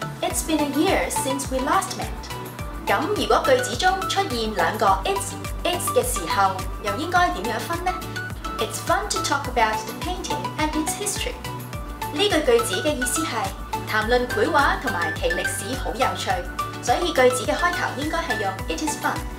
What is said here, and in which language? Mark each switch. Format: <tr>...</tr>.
<en>It's been a year since we last met。</en> <zh>那如果句子中出现两个 it's 的时候，又应该怎样分呢？</zh> <en>It's fun to talk about the painting and its history。</en> <zh>这句句子的意思是谈论绘画和其历史很有趣，所以句子的开头应该是用</zh> <en>it is fun。</en>